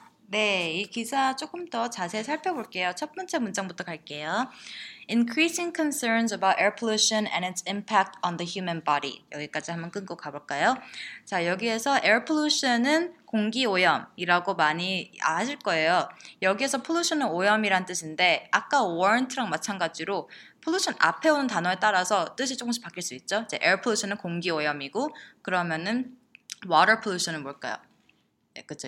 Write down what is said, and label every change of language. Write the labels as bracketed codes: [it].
[ko] 네, 이 기사 조금 더 자세히 살펴볼게요. 첫 번째 문장부터 갈게요. [en] Increasing concerns about air pollution and its impact on the human body. [ko] 여기까지 한번 끊고 가볼까요? 자, 여기에서 air pollution은 공기 오염이라고 많이 아실 거예요. 여기에서 pollution은 오염이란 뜻인데 아까 warrant랑 마찬가지로 pollution 앞에 오는 단어에 따라서 뜻이 조금씩 바뀔 수 있죠. 이제 air pollution은 공기 오염이고 그러면은 water pollution은 뭘까요? 그렇죠.